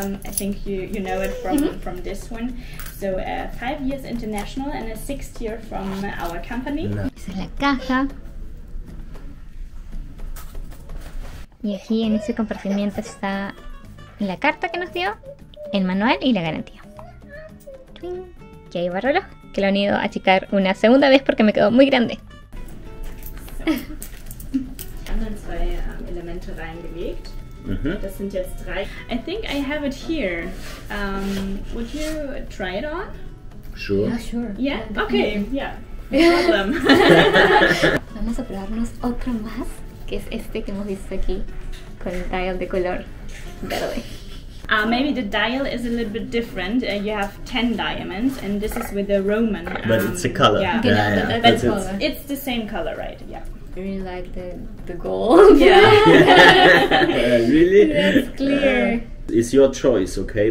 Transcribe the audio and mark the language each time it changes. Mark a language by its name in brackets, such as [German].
[English] I think you know it from this one. So 5 years international and a 6th year from our company. [Spanish] Es la caja. Y aquí en ese compartimiento está la carta que nos dio, el manual y la garantía. Y ahí va el reloj, que lo han ido a achicar una segunda vez porque me quedó muy grande. [English] I think I have it here. Would you try it on? Sure. Yeah, sure. Yeah? Okay, yeah. problem. [Spanish] Vamos a probarnos otro más, que es este que hemos visto aquí, con el dial de color verde. [English] Maybe the dial is a little bit different. You have 10 diamonds, and this is with a Roman. But it's a color. Yeah, okay, yeah, yeah. But it's the same color, right? Yeah. I really like the gold. Yeah. Really? That's clear. It's your choice, okay?